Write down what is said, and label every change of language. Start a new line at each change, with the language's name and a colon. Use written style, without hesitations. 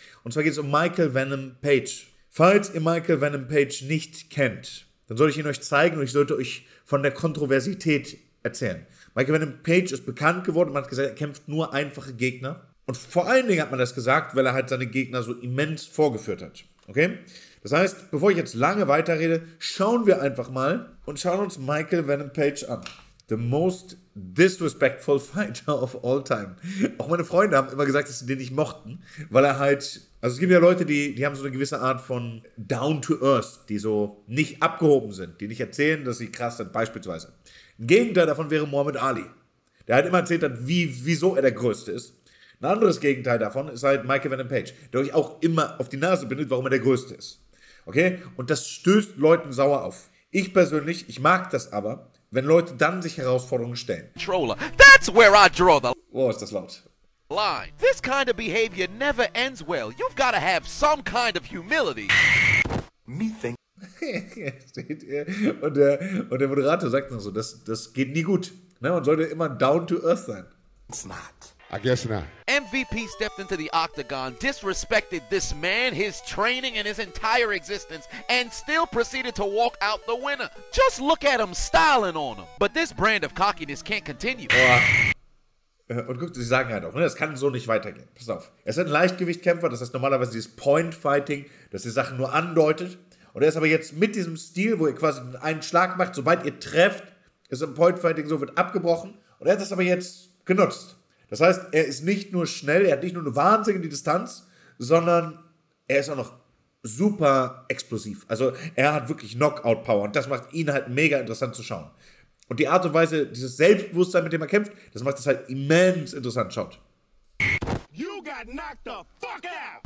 German: Und zwar geht es um Michael Venom Page. Falls ihr Michael Venom Page nicht kennt, dann sollte ich ihn euch zeigen und ich sollte euch von der Kontroversität erzählen. Michael Venom Page ist bekannt geworden, man hat gesagt, er kämpft nur einfache Gegner. Und vor allen Dingen hat man das gesagt, weil er halt seine Gegner so immens vorgeführt hat. Okay? Das heißt, bevor ich jetzt lange weiterrede, schauen wir einfach mal und schauen uns Michael Venom Page an.
English: The most disrespectful fighter of all time.
German: Auch meine Freunde haben immer gesagt, dass sie den nicht mochten, weil er halt, also es gibt ja Leute, die haben so eine gewisse Art von
English: down to earth,
German: die so nicht abgehoben sind, die nicht erzählen, dass sie krass sind, beispielsweise. Ein Gegenteil davon wäre Muhammad Ali, der halt immer erzählt hat, wieso er der Größte ist. Ein anderes Gegenteil davon ist halt Michael Venom Page, der euch auch immer auf die Nase bindet, warum er der Größte ist. Okay? Und das stößt Leuten sauer auf. Ich persönlich, ich mag das aber, wenn Leute dann sich Herausforderungen stellen.
English: Controller. That's where I draw the...
German: Oh, ist das laut.
English: Line. This kind of behavior never ends well. You've got to have some kind of humility. Me think.
German: Seht ihr? Und der Moderator sagt dann so, das geht nie gut. Ne? Man sollte immer
English: down to earth
German: sein.
English: It's not. I guess not. MVP stepped into the octagon, disrespected this man, his training, and his entire existence, and still proceeded to walk out the winner. Just look at him styling on him. But this brand of cockiness can't continue. Oh.
German: Und guck, sie sagen halt auch, ne, das kann so nicht weitergehen. Pass auf. Er ist ein Leichtgewichtkämpfer, das heißt normalerweise dieses Point-Fighting, das die Sachen nur andeutet. Und er ist aber jetzt mit diesem Stil, wo ihr quasi einen Schlag macht, sobald ihr trefft, ist im Point-Fighting so, wird abgebrochen. Und er hat das aber jetzt genutzt. Das heißt, er ist nicht nur schnell, er hat nicht nur eine wahnsinnige Distanz, sondern er ist auch noch super explosiv. Also er hat wirklich Knockout-Power und das macht ihn halt mega interessant zu schauen. Und die Art und Weise, dieses Selbstbewusstsein, mit dem er kämpft, das macht es halt immens interessant. Schaut.
English: You got knocked the fuck out!